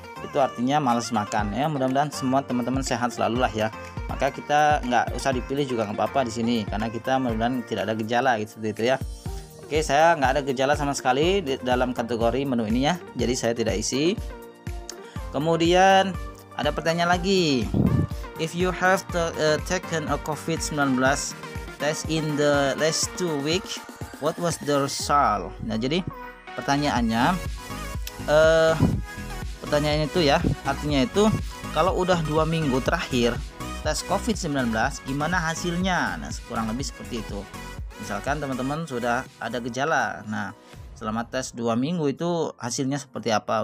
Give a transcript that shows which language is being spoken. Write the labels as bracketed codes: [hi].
[id] Itu artinya malas makan ya. Mudah-mudahan semua teman-teman sehat selalu lah ya. Maka kita nggak usah dipilih juga, nggak apa-apa di sini, karena kita mudah-mudahan tidak ada gejala gitu, seperti itu ya. Oke, saya nggak ada gejala sama sekali di dalam kategori menu ini ya, jadi saya tidak isi. Kemudian ada pertanyaan lagi. [en] If you have taken a COVID-19 test in the last 2 weeks, what was the result? [id] Nah, jadi pertanyaannya pertanyaannya itu ya, artinya itu kalau udah 2 minggu terakhir tes COVID-19 gimana hasilnya? Nah, kurang lebih seperti itu. Misalkan teman-teman sudah ada gejala. Nah, selama tes 2 minggu itu hasilnya seperti apa?